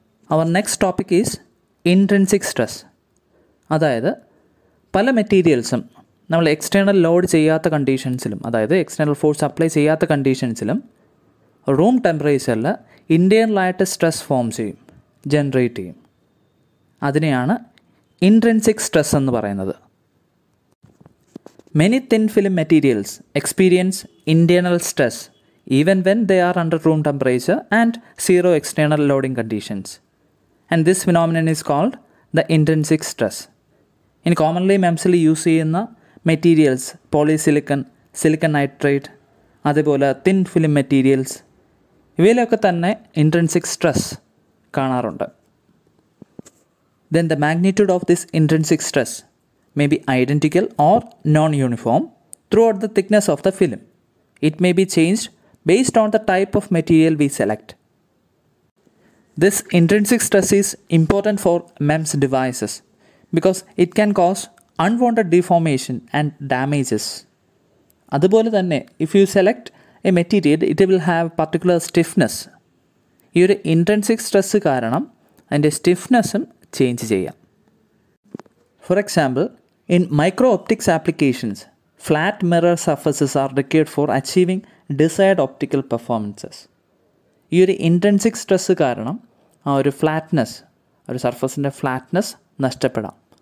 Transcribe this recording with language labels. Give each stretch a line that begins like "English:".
English: Our next topic is intrinsic stress.
Malayalam: അതായത് പല മെറ്റീരിയൽസും നമ്മൾ എക്സ്റ്റേണൽ ലോഡ് ചെയ്യാത്ത കണ്ടീഷൻസിലും, അതായത് എക്സ്റ്റേണൽ ഫോഴ്സ് അപ്ലൈ ചെയ്യാത്ത കണ്ടീഷൻസിലും റൂം ടെമ്പറേച്ചറിൽ ഇൻറ്റേണലായിട്ട് സ്ട്രെസ് ഫോം ചെയ്യും, ജനറേറ്റ് ചെയ്യും. അതിനെയാണ് ഇൻട്രിൻസിക് സ്ട്രെസ് എന്ന് പറയുന്നത്.
English: Many thin film materials experience internal stress even when they are under room temperature and zero external loading conditions. And this phenomenon is called the intrinsic stress.
Malayalam: ഇനി commonly മെംസിൽ use ചെയ്യുന്ന materials polysilicon, silicon nitrate, അതുപോലെ thin film materials, ഇവയിലൊക്കെ തന്നെ intrinsic stress കാണാറുണ്ട്.
English: Then the magnitude of this intrinsic stress may be identical or non-uniform throughout the thickness of the film. It may be changed based on the type of material we select. This intrinsic stress is important for MEMS devices because it can cause unwanted deformation and damages.
Malayalam: അതുപോലെ തന്നെ
English: if you select a material, it will have particular stiffness.
Malayalam: ഈ ഒരു intrinsic stress കാരണം അതിൻ്റെ സ്റ്റിഫ്നെസ്സും change ചെയ്യാം.
English: For example, in micro optics applications flat mirror surfaces are required for achieving desired optical performances.
Malayalam: ഈ ഒരു intrinsic stress കാരണം ആ ഒരു ഫ്ലാറ്റ്നെസ്, ഒരു സർഫസിൻ്റെ ഫ്ലാറ്റ്നെസ് നഷ്ടപ്പെടാം.